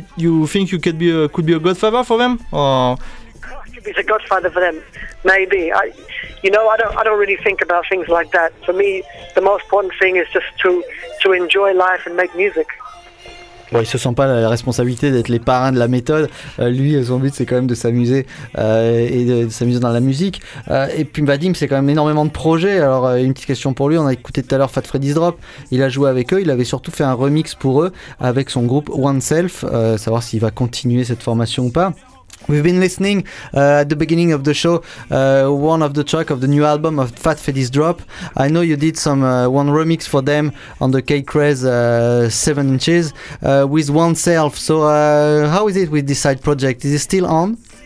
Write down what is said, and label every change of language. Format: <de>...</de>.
<en>You think you could be a godfather for them? I could be the godfather for them. Maybe. I don't really think about things like that. For me, the most important thing is just to enjoy life and make music.</en> <fr>Bon, il se sent pas la responsabilité d'être les parrains de La Méthode. Lui, son but, c'est quand même de s'amuser et de s'amuser dans la musique. Et puis Vadim, c'est quand même énormément de projets. Alors, une petite question pour lui. On a écouté tout à l'heure Fat Freddy's Drop. Il a joué avec eux. Il avait surtout fait un remix pour eux avec son groupe Oneself. Savoir s'il va continuer cette formation ou pas.</fr> <en>We've been listening at the beginning of the show, one of the tracks of the new album of Fat Freddy's Drop. I know you did some one remix for them on the K-Craze 7 Inches with Oneself. So how is it with this side project? Is it still on?</en>